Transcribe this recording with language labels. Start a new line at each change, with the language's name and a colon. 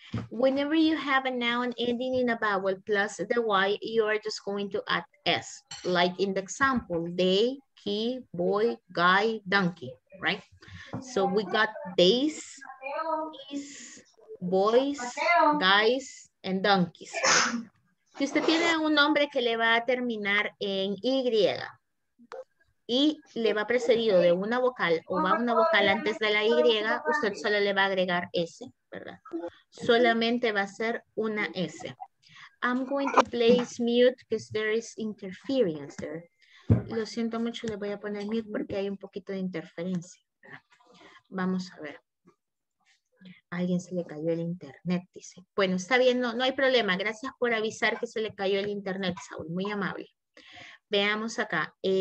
English: Whenever you have a noun ending in a vowel plus the Y, you are just going to add S. Like in the example, they, he, boy, guy, donkey, right? So we got days, is, boys, guys, and donkeys.
Spanish: Si usted tiene un nombre que le va a terminar en Y y le va precedido de una vocal o va una vocal antes de la Y, usted solo le va a agregar S, ¿verdad? Solamente va a ser una S.
English: I'm going to place mute because there is interference there.
Spanish: Lo siento mucho, le voy a poner mute porque hay un poquito de interferencia. Vamos a ver. A alguien se le cayó el internet, dice. Bueno, está bien, no hay problema. Gracias por avisar que se le cayó el internet, Saúl. Muy amable. Veamos acá.